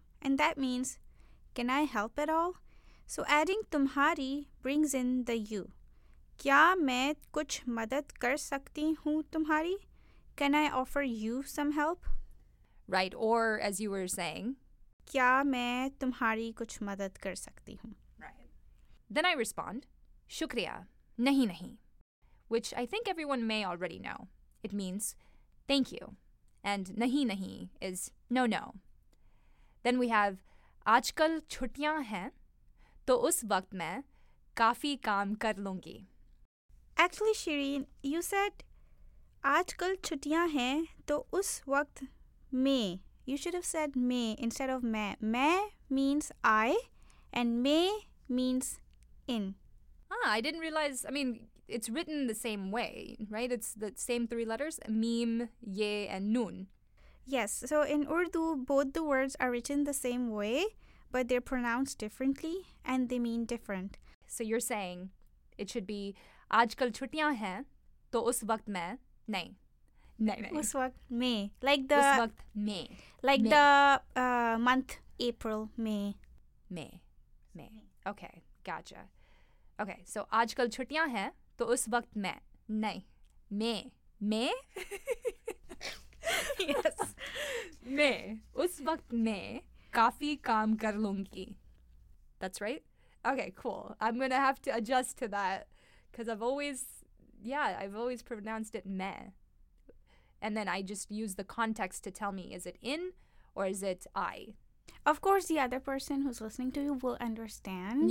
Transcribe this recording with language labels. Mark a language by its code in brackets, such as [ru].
[en] And that means, can I help at all? So adding tumhari brings in the you. [ur] Kya main kuch madad kar sakti hoon tumhari? [en] Can I offer you some help? Right, or as you were saying, [ur] kya main tumhari kuch madad kar sakti hoon? [en] Right. Then I respond, [ur] شکریہ، نہیں نہیں۔ [en] Which I think everyone may already know. It means, thank you. And [ur] نہیں نہیں [en] is no no. Then we have, [ur] آج کل چھٹیاں ہیں، تو اس وقت میں کافی کام کر لوں گی۔ [en] Actually, Shireen, you said, [ur] aaj kal chhutiyan hain, to us waqt main. [en] You should have said main instead of main. Main means I and main means in. Ah, I didn't realize, I mean, it's written the same way, right? It's the same three letters, meem, ye, and noon. Yes, so in Urdu, both the words are written the same way, but they're pronounced differently and they mean different. So you're saying it should be, [ur] aaj kal chhutiyan hain, to us waqt main, nahin. Us waqt mein. [en] Like the, [ur] اس وقت میں۔ [en] Like [ur] mein. [en] The month, April, May. May. May. Okay, gotcha. Okay, so [ur] آج کل چھٹیاں ہیں، تو اس وقت میں۔ نہیں۔ میں۔ میں؟ [en] Yes. [ur] میں اس وقت میں کافی کام کر لوں گی۔ [en] That's right. Okay, cool. I'm going to have to adjust to that because I've always pronounced it meh. And then I just use the context to tell me, is it in or is it I? Of course, the other person who's listening to you will understand.